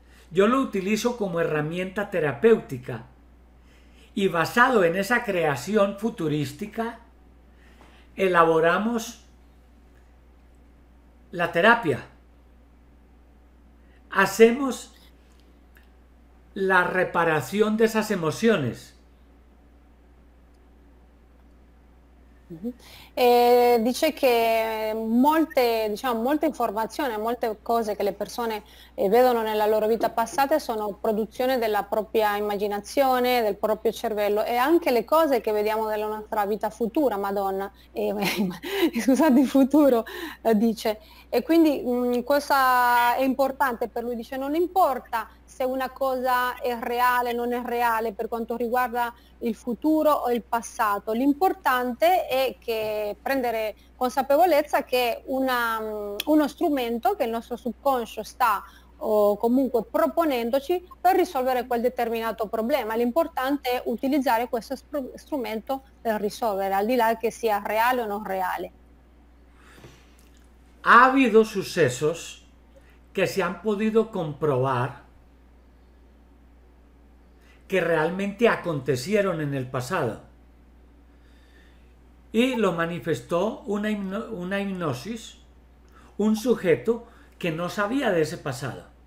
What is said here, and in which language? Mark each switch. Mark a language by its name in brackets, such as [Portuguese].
[Spanish] Yo lo utilizo como herramienta terapéutica y basado en esa creación futurística elaboramos la terapia. Hacemos la reparación de esas emociones. [Italian] Dice che molte, diciamo, molte informazioni, molte cose che le persone vedono nella loro vita passata sono produzione della propria immaginazione, del proprio cervello e anche le cose che vediamo della nostra vita futura, Madonna, scusate, il futuro, dice. E quindi questa è importante per lui, dice, non importa se una cosa è reale o non è reale per quanto riguarda il futuro o il passato. L'importante è che prendere consapevolezza che uno strumento che il nostro subconscio sta comunque proponendoci per risolvere quel determinato problema. L'importante è utilizzare questo strumento per risolvere, al di là che sia reale o non reale. [Spanish] Ha habido sucesos che si han podido comprobar que realmente acontecieron en el pasado. Y lo manifestó una hipnosis, un sujeto que no sabía de ese pasado.